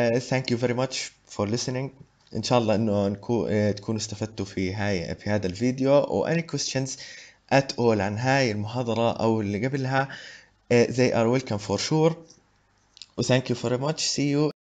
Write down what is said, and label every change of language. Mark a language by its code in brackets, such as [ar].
[en] thank you very much for listening. [ar] إن شاء الله إنه تكونوا استفدتوا في هذا الفيديو. [en] و any questions at all [ar] عن هاي المحاضرة أو اللي قبلها [en] they are welcome for sure. و thank you very much. See you.